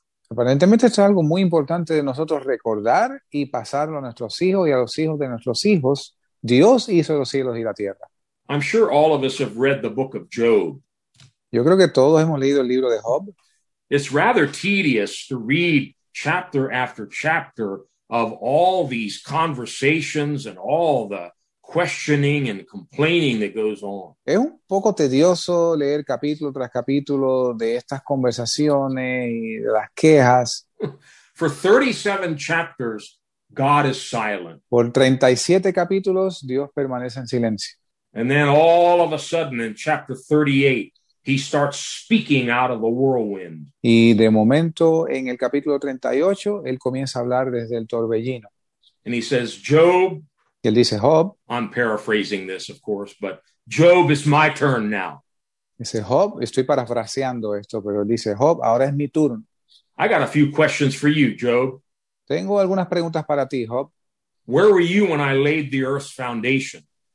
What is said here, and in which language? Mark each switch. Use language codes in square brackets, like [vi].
[es] Aparentemente, esto es algo muy importante de nosotros recordar y pasarlo a nuestros hijos y a los hijos de nuestros hijos. Dios hizo los cielos y la tierra. [en] I'm sure all of us have read the book of Job. [es] Yo creo que todos hemos leído el libro de Job. [en] It's rather tedious to read chapter after chapter of all these conversations and all the questioning and complaining that goes on. [es] Es un poco tedioso leer capítulo tras capítulo de estas conversaciones y de las quejas. [en] For 37 chapters, God is silent. [es] Por 37 capítulos, Dios permanece en silencio. [en] And then all of a sudden in chapter 38, he starts speaking out of the whirlwind. [es] Y de momento, en el capítulo 38, él comienza a hablar desde el torbellino. [en] And he says, Job. [es] Y él dice, Job. [en] I'm paraphrasing this, of course, but Job, it's my turn now. [es] Dice, Job, estoy parafraseando esto, pero él dice, Job, ahora es mi turno. [en] I got a few questions for you, Job. [es] Tengo algunas preguntas para ti, Job. [en] Where were you when I laid the earth's foundation?